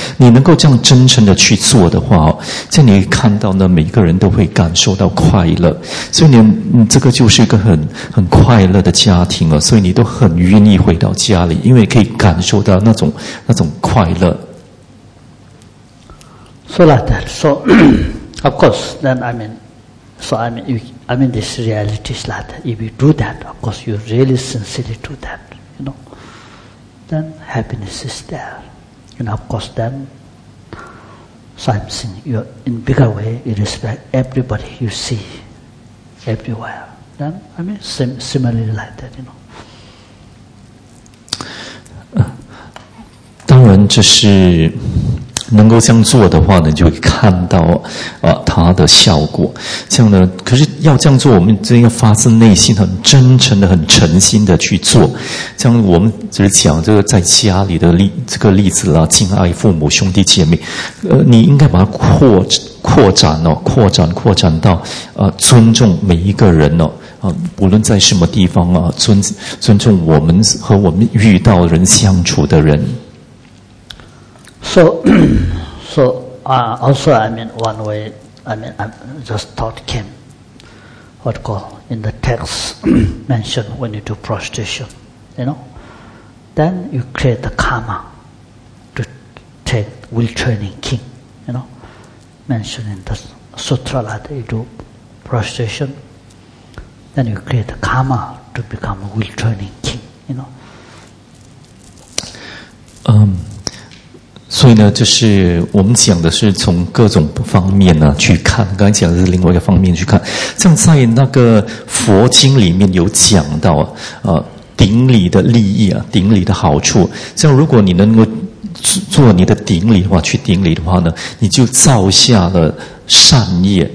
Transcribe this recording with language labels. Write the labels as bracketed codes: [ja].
[zh] 你能够这样真诚的去做的话，在你看到呢，每个人都会感受到快乐，所以你这个就是一个很快乐的家庭了。所以你都很愿意回到家里，因为可以感受到那种快乐。 [en] So like that. So of course, then I mean, this reality is like that. If you do that, of course, you really sincerely do that, you know, then happiness is there. You know, of course, then, so I'm saying, in a bigger way, you respect everybody you see everywhere. Then, I mean, similarly like that, you know. [zh] 当然这是能够这样做的话呢，就会看到它的效果。这样呢，可是要这样做，我们真要发自内心、很真诚的、很诚心的去做。这样我们只是讲这个在家里的例子啦，敬爱父母、兄弟姐妹。你应该把它扩展哦，扩展到尊重每一个人哦。不论在什么地方啊，尊重我们和我们遇到人相处的人。 [en] So, also, I mean, one way, I mean, I just thought came, what call, in the text mentioned when you do prostration, you know, then you create the karma to take will training king, you know, mentioned in the sutra that you do prostration, then you create the karma to become will training king, you know. [zh] 所以呢，就是我们讲的是从各种方面呢、啊、去看。刚才讲的是另外一个方面去看。像在那个佛经里面有讲到，顶礼的利益啊，顶礼的好处。像如果你能够做你的顶礼的话，去顶礼的话呢，你就造下了善业。